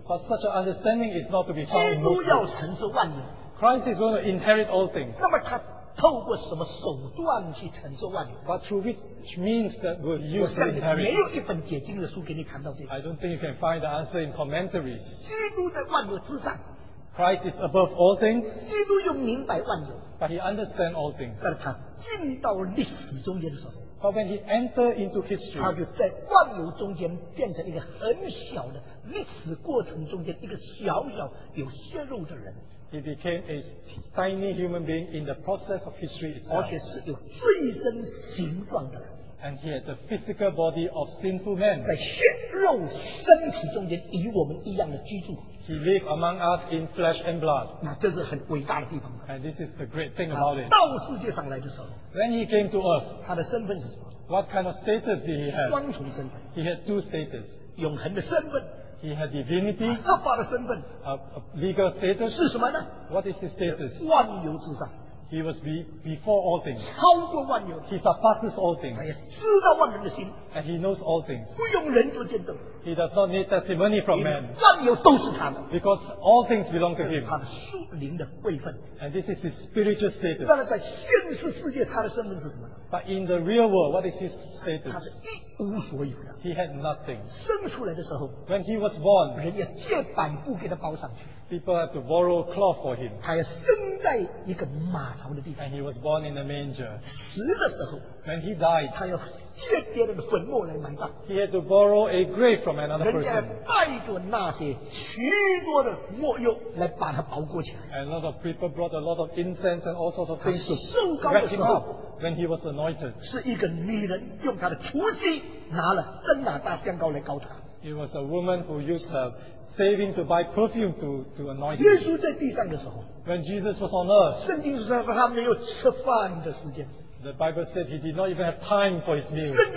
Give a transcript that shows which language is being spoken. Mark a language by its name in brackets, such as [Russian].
[English] But such an understanding is not to be found in most books. Christ is going to inherit all things. [Chinese] 透过什么手段去承受万有? [English] But through which means that will use the inheritance? [Chinese] 我想没有一本解经的书给你谈到这个。 [English] I don't think you can find the answer in commentaries. [Chinese] 基督在万有之上。 [English] Christ is above all things. [Chinese] 基督又明白万有。 [English] But he understands all things. [Chinese] 但他进到历史中间的时候。 [English] But when he entered into history, [Chinese] 他就在万有中间变成一个很小的历史过程中间一个小小有血肉的人。 [English] He became a tiny human being in the process of history itself. [Chinese] 而且是有罪身形状的人。 [English] And he had the physical body of sinful men. [Chinese] 在血肉身体中间与我们一样的居住。 [English] He lived among us in flesh and blood. [Chinese] 那这是很伟大的地方。 [English] And this is the great thing about it. [Chinese] 到世界上来的时候。 [English] When he came to earth. [Chinese] 他的身份是什么? [English] What kind of status did he have? [Chinese] 双重身份。 [English] He had two status. [Chinese] 永恒的身份。 [English] He had divinity, [Chinese] 合法的身份, [English] a legal status. [Chinese] 是什么呢? [English] What is his status? [Chinese] 万有之上, [English] he was before all things. [Chinese] 超过万有, [English] he surpasses all things. [Chinese] 知道万人的心, [English] and he knows all things. [Chinese] 不用人做见证, [English] he does not need testimony from man. [Chinese] 万有都是他的, [English] because all things belong to him. [Chinese] 这是他的属灵的位分, [English] and this is his spiritual status. [Chinese] 但是在现实世界, 他的身份是什么呢? [English] But in the real world, what is his status? [Chinese] 他是一无所有的, [English] he had nothing. [Chinese] 生出来的时候, [English] when he was born, [Chinese] 人要借板布给他包上去, [English] people had to borrow cloth for him. [Chinese] 他要生在一个马槽的地方, [English] and he was born in a manger. [Chinese] 死的时候, [English] when he died, [Chinese] 他要借别人的坟墓来埋葬, [English] he had to borrow a grave from another person. [Chinese] 人家带着那些许多的墨药来把他包裹起来, [English] and a lot of people brought a lot of incense and all sorts of things to wrap him up. When he was anointed, [Chinese] 是一个女人用她的厨具拿了真拿大香膏来膏他。 [English] It was a woman who used her saving to buy perfume to anoint him. [Chinese] 耶稣在地上的时候, [English] when Jesus was on earth, [Chinese] 圣经说他没有吃饭的时间。 [English] The Bible said he did not even have time for his meals.